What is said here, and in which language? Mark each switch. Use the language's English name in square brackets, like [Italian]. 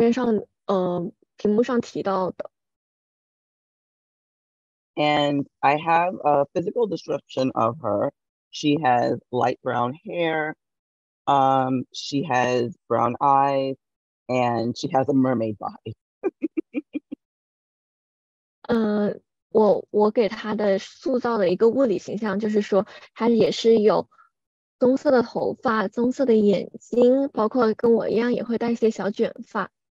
[Chinese] 这个人物角色他叫Tyree，然后他是像是图片上屏幕上提到的。 [English] And I have a physical description of her. She has light brown hair. She has brown eyes, and she has a mermaid body. [Chinese] 我给他的塑造的一个物理形象就是说，他也是有棕色的头发、棕色的眼睛，包括跟我一样也会带一些小卷发。